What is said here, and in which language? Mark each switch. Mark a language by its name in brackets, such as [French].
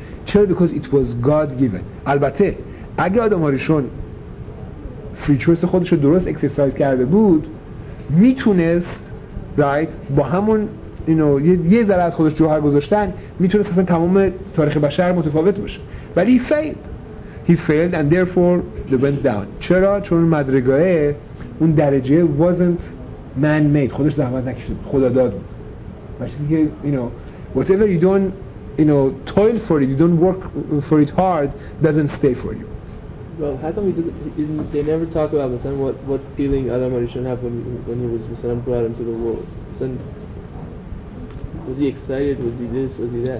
[Persian] چرا؟ [English] Because it was God given. [Persian] البته اگه آدم هاریشون [English] free choice [Persian] خودش رو درست اکسرسایز کرده بود، میتونست رایت با همون یه ذره از خودش جوهر گذاشتن، میتونست اصلا تمام تاریخ بشر متفاوت باشه. ولی [English] he failed and therefore they went down. [Persian] چرا؟ چون مدرگاهه اون درجه [English] wasn't man made، [Persian] خودش زحمت نکشید، خدا داد بود. بچه‌ای که [English] whatever you don't toil for it, you don't work for it hard, doesn't stay for you. Well, how come they never talk about Muslim, what feeling Adam Harishon had when he was Muslim brought into the world? Muslim, was he excited? Was he this? Was he that?